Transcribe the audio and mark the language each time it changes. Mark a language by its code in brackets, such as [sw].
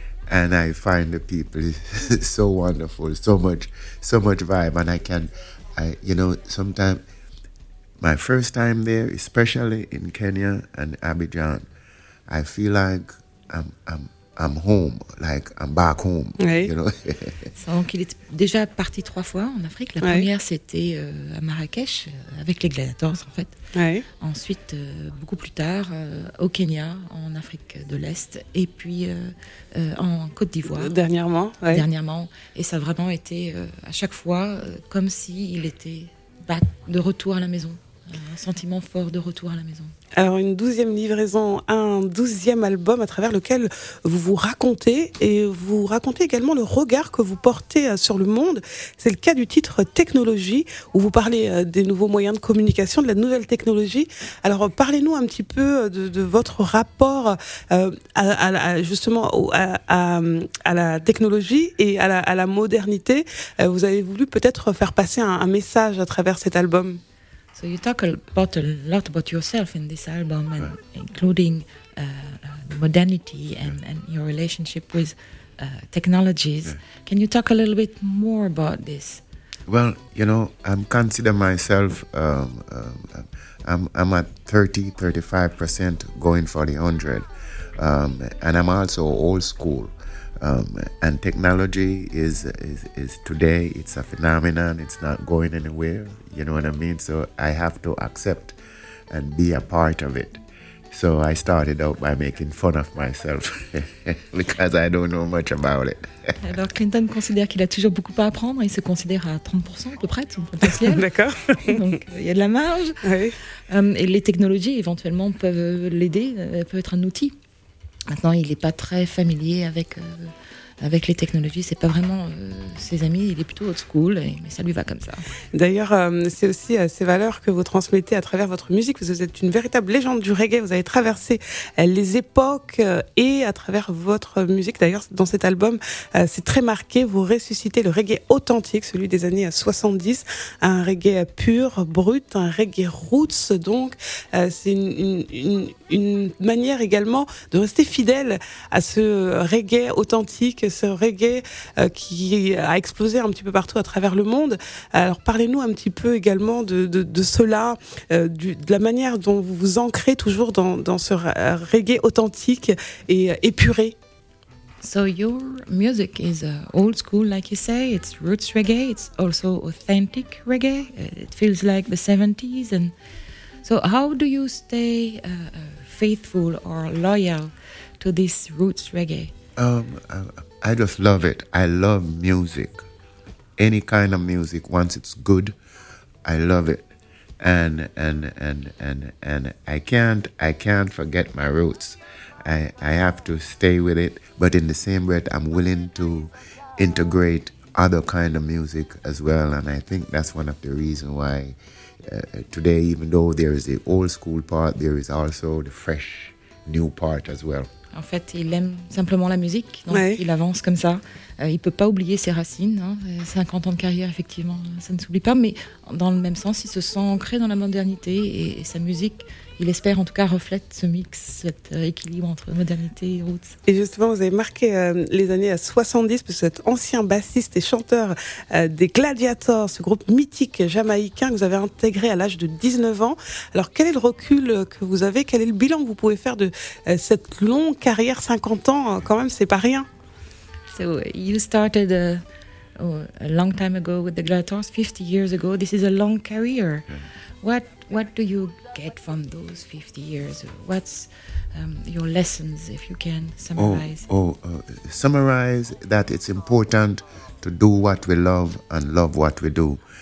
[en] And I find the people so wonderful, so much vibe. And sometimes my first time there, especially in Kenya and Abidjan, I feel like I'm home, like I'm back home. [fr] Oui. [en] You know? [fr] Donc il est déjà parti trois fois en Afrique. La première, c'était à Marrakech, avec les Gladiators en fait. Oui. Ensuite, beaucoup plus tard, au Kenya, en Afrique de l'Est, et puis en Côte d'Ivoire. Dernièrement. Et ça a vraiment été à chaque fois comme s'il était back, de retour à la maison. Un sentiment fort de retour à la maison. Alors, une 12e livraison, un 12e album à travers lequel vous vous racontez et vous racontez également le regard que vous portez sur le monde. C'est le cas du titre Technologie, où vous parlez des nouveaux moyens de communication, de la nouvelle technologie. Alors, parlez-nous un petit peu de votre rapport à la technologie et à la modernité. Vous avez voulu peut-être faire passer un message à travers cet album. [en] So you talk about a lot about yourself in this album, and including modernity and your relationship with technologies. Yeah. Can you talk a little bit more about this? Well, you know, I consider myself, I'm at 30-35% going for the 100. And I'm also old school. And technology is today, it's a phenomenon, it's not going anywhere, you know what I mean? So I have to accept and be a part of it. So I started out by making fun of myself, because I don't know much about it. [fr] Alors Clinton considère qu'il a toujours beaucoup à apprendre, il se considère à 30% à peu près de son potentiel. D'accord. Donc il y a de la marge. Oui. Et les technologies éventuellement peuvent l'aider, peuvent être un outil. Maintenant, il n'est pas très familier avec les technologies. Ce n'est pas vraiment ses amis. Il est plutôt old school, mais ça lui va comme ça. D'ailleurs, c'est aussi ces valeurs que vous transmettez à travers votre musique. Vous êtes une véritable légende du reggae. Vous avez traversé les époques et à travers votre musique. D'ailleurs, dans cet album, c'est très marqué. Vous ressuscitez le reggae authentique, celui des années 70. Un reggae pur, brut, un reggae roots. Donc, c'est une manière également de rester fidèle à ce reggae authentique, ce reggae qui a explosé un petit peu partout à travers le monde. Alors parlez-nous un petit peu également de cela, de la manière dont vous vous ancrez toujours dans ce reggae authentique et épuré. [en] So your music is old school, like you say. It's roots reggae. It's also authentic reggae. It feels like the 70s. And so how do you stay faithful or loyal to this roots reggae? I just love it. I love music. Any kind of music, once it's good, I love it. And I can't forget my roots. I have to stay with it, but in the same breath, I'm willing to integrate other kind of music as well. And I think that's one of the reasons why today, even though there is the old school part, there is also the fresh new part as well. [fr] En fait, il aime simplement la musique, donc il avance comme ça. Il ne peut pas oublier ses racines. Hein. 50 ans de carrière, effectivement, ça ne s'oublie pas. Mais dans le même sens, il se sent ancré dans la modernité et sa musique, il espère en tout cas, reflète ce mix, cet équilibre entre modernité et roots. Et justement, vous avez marqué les années 70, parce que vous êtes ancien bassiste et chanteur des Gladiators, ce groupe mythique jamaïcain que vous avez intégré à l'âge de 19 ans. Alors, quel est le recul que vous avez? Quel est le bilan que vous pouvez faire de cette longue carrière, 50 ans, quand même, c'est pas rien. [en] So you started a long time ago with the Gladiators, 50 years ago. This is a long career. What do you get from those 50 years? What's your lessons, if you can summarize? Summarize that it's important to do what we love and love what we do.